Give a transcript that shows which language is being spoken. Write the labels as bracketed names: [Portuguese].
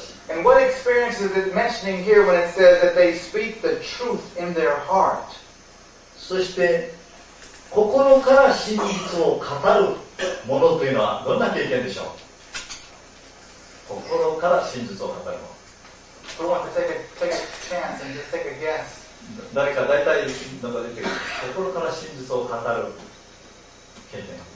[English] And what experience is it mentioning here when it says that they speak the truth in their heart? [Japanese] そして心から真実を語るものというのはどんな経験でしょう？心から真実を語るもの。 [English] Who wants to take a chance and just take a guess? [Japanese] 誰か大体なんか出てくる。心から真実を語る経験。